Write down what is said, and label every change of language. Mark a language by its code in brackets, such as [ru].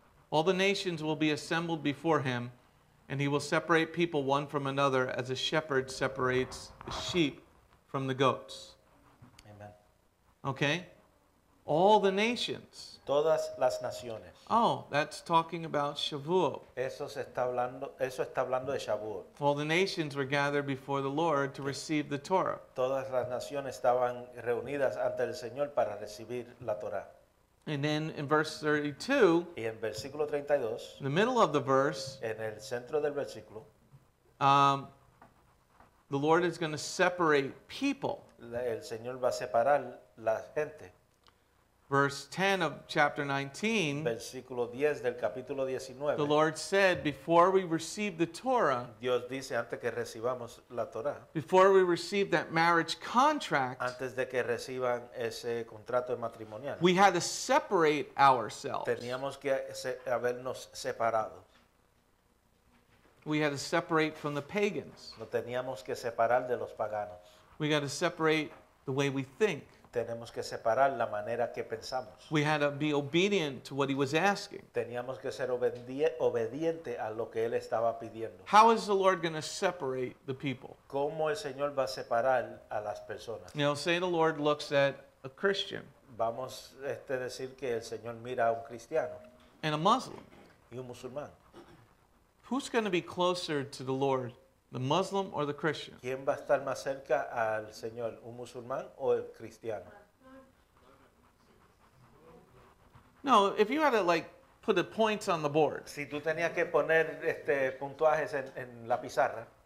[en] All the nations will be assembled before him, and he will separate people one from another as a shepherd separates the sheep from the goats. Amen. Okay? All the nations. [es] Todas las naciones. [en] Oh, that's talking about Shavuot. [es] Eso está hablando de Shavuot. [en] All the nations were gathered before the Lord to receive the Torah. [es] Todas las naciones estaban reunidas ante el Señor para recibir la Torah. [en] And then in verse 32, [es] y en versículo 32, [en] in the middle of the verse, [es] en el centro del versículo, [en] the Lord is going to separate people. [es] El Señor va a separar la gente. [en] Verse 10 of chapter 19, [es] versículo 10 del capítulo 19, [en] the Lord said, before we receive the Torah, [es] Dios dice, antes que recibamos la Torah, [en] before we receive that marriage contract, [es] antes de que reciban ese contrato matrimonial, [en] we had to separate ourselves. [es] Teníamos que habernos separado. [en] We had to separate from the pagans. [es] Nos teníamos que separar de los paganos. [en] We got to separate the way we think. [es] Tenemos que separar la manera que pensamos. [en] We had to be obedient to what he was asking. [es] Teníamos que ser obediente a lo que él estaba pidiendo. [en] How is the Lord going to separate the people? [es] ¿Cómo el Señor va a separar a las personas? [en] Now say the Lord looks at a Christian. [es] Vamos a decir que el Señor mira a un cristiano. [en] And a Muslim. [es] Y un musulmán. [en] Who's going to be closer to the Lord? The Muslim or the Christian? [es] ¿Quién va a estar más cerca al Señor, un musulmán o el cristiano? [en] No, if you had to like put the points on the board. [es] Si tú tenías que poner puntuajes en la pizarra.